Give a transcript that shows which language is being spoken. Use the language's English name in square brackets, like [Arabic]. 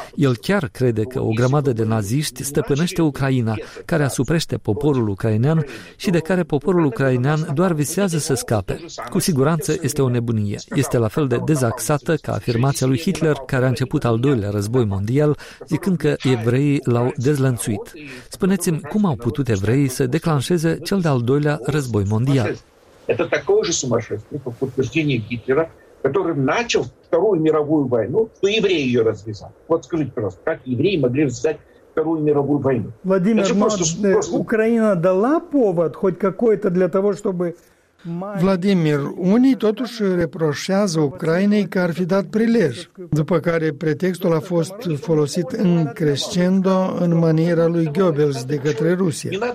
[Romanian] El chiar crede că o grămadă de naziști stăpânește Ucraina, care asuprește poporul ucrainean și de care poporul ucrainean doar visează să scape. Cu siguranță este o nebunie. Este la fel de dezaxată ca afirmația lui Hitler, care a început al doilea război mondial, zicând că evreii l-au dezlănțuit. Spuneți-mi, cum au putut evreii să declanșeze cel de-al doilea război mondial? Este [Russian] такой же сумасшествий, как утверждение Гитлера, который начал Вторую мировую войну, что евреи ее развязали. Вот скажите, пожалуйста, как евреи могли развязать Вторую мировую войну? Владимир, просто... Украина дала повод хоть какой-то для того, чтобы... [Romanian] Vladimir, unii totuși reproșează Ucrainei că ar fi dat prilej, după care pretextul a fost folosit în crescendo în maniera lui Goebbels de către Rusia.